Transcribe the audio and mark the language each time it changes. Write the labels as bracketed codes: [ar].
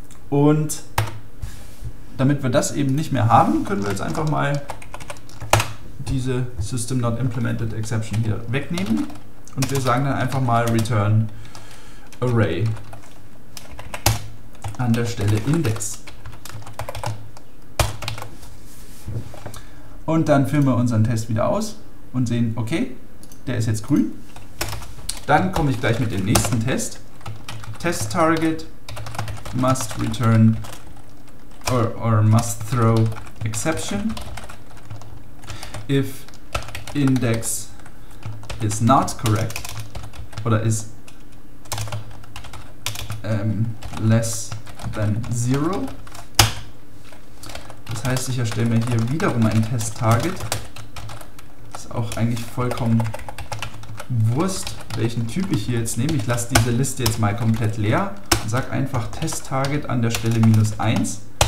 [de] Und damit wir das eben nicht mehr haben, können wir jetzt einfach mal diese System Not Implemented Exception hier wegnehmen und wir sagen dann einfach mal Return Array an der Stelle Index. Und dann führen wir unseren Test wieder aus und sehen, okay, der ist jetzt grün. Dann komme ich gleich mit dem nächsten Test. [en] Test Target must return or must throw exception if index is not correct [de] oder [en] is less than 0. [de] Das heißt, ich erstelle mir hier wiederum ein Test-Target. Ist auch eigentlich vollkommen Wurst, welchen Typ ich hier jetzt nehme. Ich lasse diese Liste jetzt mal komplett leer und sage einfach Test-Target an der Stelle minus 1.